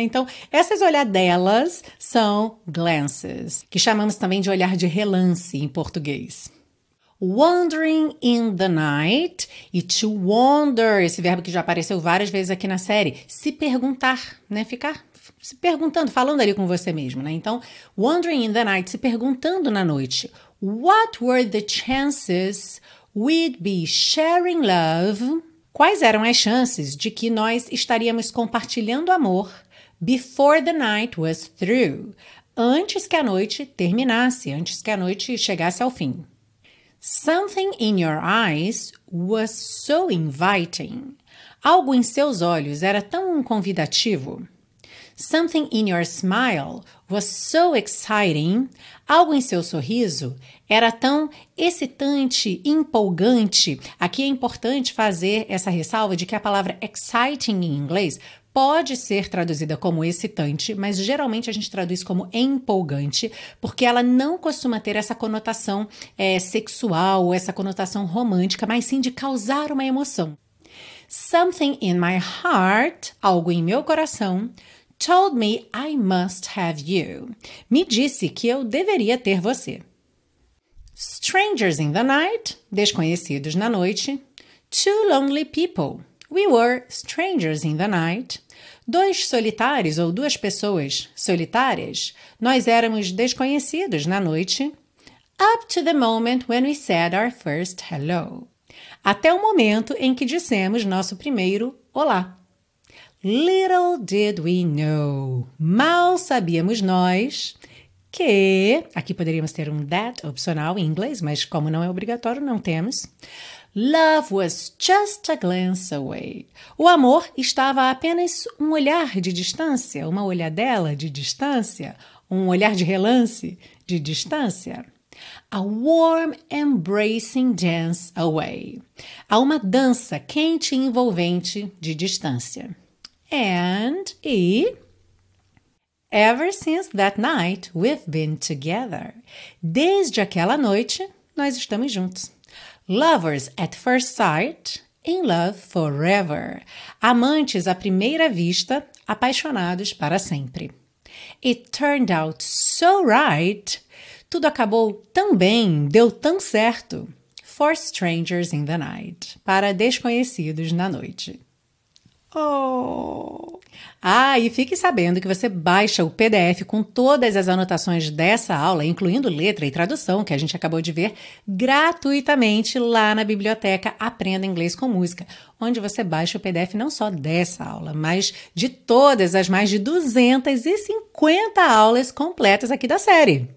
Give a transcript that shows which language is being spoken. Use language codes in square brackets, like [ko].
[pt] Então, essas olhadelas são glances, que chamamos também de olhar de relance em português. [en] Wandering in the night [pt] e to wander, esse verbo que já apareceu várias vezes aqui na série, se perguntar, né? Ficar se perguntando, falando ali com você mesmo, né? Então, [en] wandering in the night, [pt] se perguntando na noite. [en] What were the chances we'd be sharing love? [pt] Quais eram as chances de que nós estaríamos compartilhando amor [en] before the night was through? [pt] Antes que a noite terminasse, antes que a noite chegasse ao fim. [en] Something in your eyes was so inviting. [pt] Algo em seus olhos era tão convidativo. [en] Something in your smile was so exciting. [pt] Algo em seu sorriso era tão excitante, empolgante. Aqui é importante fazer essa ressalva de que a palavra exciting em inglês pode ser traduzida como excitante, mas geralmente a gente traduz como empolgante, porque ela não costuma ter essa conotação sexual, essa conotação romântica, mas sim de causar uma emoção. [en] Something in my heart, [pt] algo em meu coração, [en] told me I must have you. [pt] Me disse que eu deveria ter você. [en] Strangers in the night, [pt] desconhecidos na noite. [en] Two lonely people, we were strangers in the night. [pt] Dois solitários ou duas pessoas solitárias, nós éramos desconhecidos na noite. [en] Up to the moment when we said our first hello. [pt] Até o momento em que dissemos nosso primeiro olá. [en] Little did we know. [pt] Mal sabíamos nós que... Aqui poderíamos ter um that opcional em inglês, mas como não é obrigatório, não temos. [en] Love was just a glance away. [pt] O amor estava apenas um olhar de distância, uma olhadela de distância, um olhar de relance de distância. [en] A warm, embracing dance away. [pt] Há uma dança quente e envolvente de distância. [en] E ever since that night, we've been together. [pt] Desde aquela noite, nós estamos juntos. [en] Lovers at first sight, in love forever. [pt] Amantes à primeira vista, apaixonados para sempre. [en] It turned out so right. [pt] Tudo acabou tão bem, deu tão certo. [en] For strangers in the night. [pt] Para desconhecidos na noite. Oh! Ah, e fique sabendo que você baixa o PDF com todas as anotações dessa aula, incluindo letra e tradução, que a gente acabou de ver, gratuitamente lá na biblioteca Aprenda Inglês com Música, onde você baixa o PDF não só dessa aula, mas de todas as mais de 250 aulas completas aqui da série.